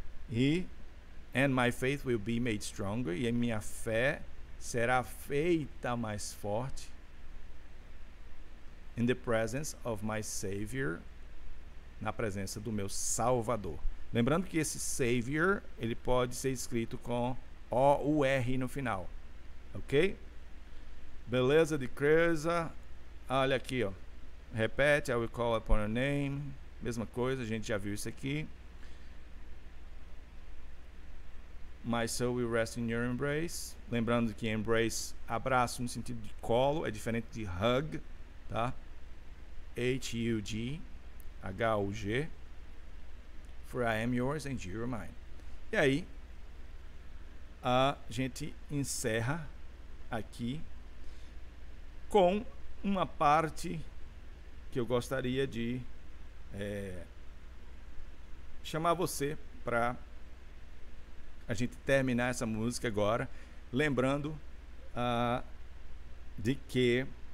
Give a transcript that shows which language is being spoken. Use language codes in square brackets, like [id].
[pt] E, [en] and my faith will be made stronger. [pt] E a minha fé será feita mais forte. [en] In the presence of my Savior. [pt] Na presença do meu Salvador. Lembrando que esse Savior, ele pode ser escrito com O-U-R no final. Ok? Beleza de Creuza. Olha aqui, ó. Repete, [en] I will call upon your name. [pt] Mesma coisa, a gente já viu isso aqui. [en] My soul will rest in your embrace. [pt] Lembrando que embrace, abraço no sentido de colo, é diferente de hug, tá? [en] H-U-G, H-U-G. For I am yours and you are mine. [pt] E aí, a gente encerra aqui com uma parte que eu gostaria de chamar você para a gente terminar essa música agora, lembrando de que